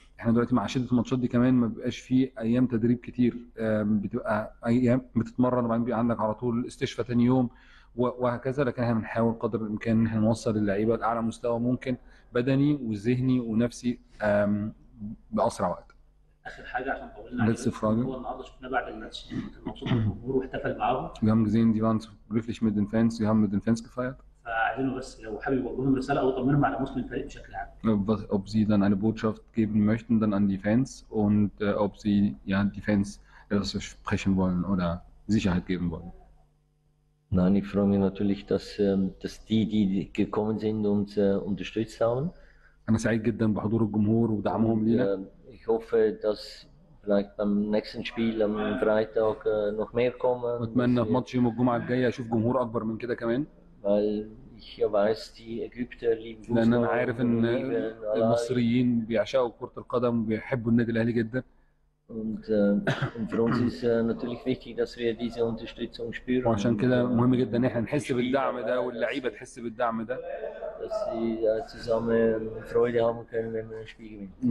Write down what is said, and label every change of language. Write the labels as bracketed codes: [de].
[ar] احنا دلوقتي مع شدة الماتشات دي كمان ما بيبقاش فيه ايام تدريب كتير، بتبقى ايام بتتمرن وبعدين بيبقى عندك على طول استشفاء تاني يوم وهكذا. لكن احنا بنحاول قدر الامكان ان احنا نوصل اللعيبة لاعلى مستوى ممكن بدني وذهني ونفسي باسرع وقت. اخر حاجه عشان طولنا عليك، هو النهارده شفنا بعد الماتش كان مبسوط الجمهور واحتفل معاهم. [de] Wir haben gesehen, die waren glücklich mit den Fans, sie haben mit den Fans gefeiert. [ar] فعايزينه بس لو حابب يوجه لهم رساله او يطمنهم على مسلم الفريق بشكل عام. [de] Ob sie dann eine Botschaft geben möchten dann an die Fans und ob sie ja die Fans etwas sprechen wollen oder Sicherheit geben wollen. Nein, ich freue mich natürlich, dass, dass die, die gekommen sind und unterstützt haben. [ar] أنا سعيد جدا بحضور الجمهور ودعمهم لينا. [de] Ich hoffe, dass vielleicht beim nächsten Spiel am Freitag noch mehr kommen. [ar] أتمنى في ماتش يوم الجمعة الجاية أشوف جمهور أكبر من كده كمان. [de] Weil ich weiß, die Ägypter lieben Fußball. [ar] لأن أنا عارف إن المصريين بيعشقوا كرة القدم وبيحبوا النادي الأهلي جدا. [de] Und für uns ist natürlich wichtig, dass wir diese Unterstützung spüren. [ar] وعشان كده مهم جدا إن احنا نحس بالدعم ده واللعيبة تحس بالدعم ده. [de] Dass sie zusammen Freude haben können, wenn wir ein Spiel gewinnen.